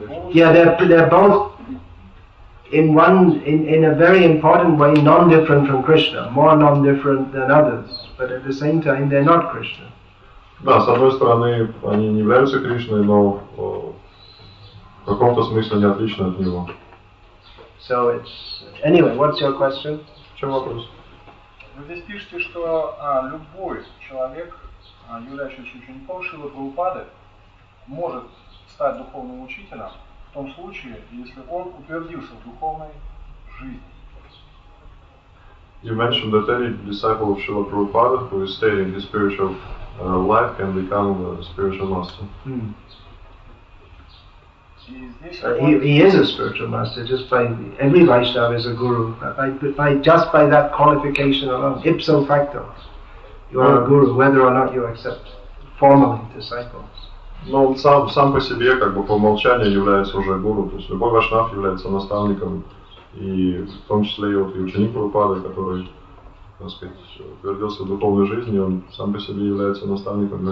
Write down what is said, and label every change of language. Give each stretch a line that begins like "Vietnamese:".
English: Yeah, they're both in a very important way non-different from Krishna, more non-different than others, but at the same time they're not Krishna.
Russian: Да, с одной стороны, они не являются Кришной, но в каком-то смысле они отличны от него.
English: So it's anyway, what's your question?
Russian: В чем вопрос? Вы здесь пишете, что любой человек, являющийся учеником Шивы Прабхупады, может стать духовным учителем. В том случае, если он утвердился в духовной жизни.
English: You mentioned that any disciple of Srila Prabhupada who is staying in his spiritual life can become a spiritual master. Hmm. He is a spiritual master just by every Vaishnava is a guru. By that qualification alone, ipso facto, you are a guru, whether or not you accept formally disciples.
Russian: Но он сам по себе, как бы по умолчанию, является уже гуру. То есть любой вашнав является наставником, и в том числе и, вот, и ученик Прабхупады, который, так сказать, утвердился в духовной жизни, он сам по себе является наставником для